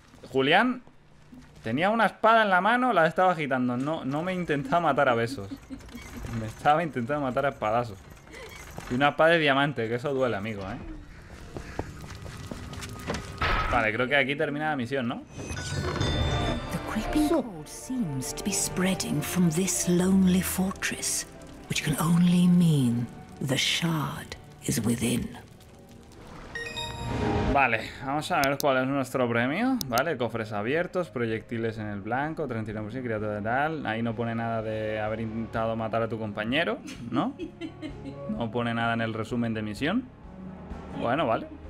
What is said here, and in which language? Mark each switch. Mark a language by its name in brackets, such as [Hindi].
[Spanish] Julián tenía una espada en la mano, la estaba agitando. No me intentaba matar a besos. Me estaba intentando matar a espadazos. Y una espada de diamante, que eso duele, amigo, ¿eh? Vale, creo que aquí termina la misión, ¿no? [English] The creeping cold seems to be spreading from this lonely fortress, which can only mean the shard is within. [Spanish] Vale, vamos a ver cuál es nuestro premio. Vale, cofres abiertos, proyectiles en el blanco, 39% criatura de tal. Ahí no pone nada de haber intentado matar a tu compañero, ¿no? No pone nada en el resumen de misión. Bueno, vale.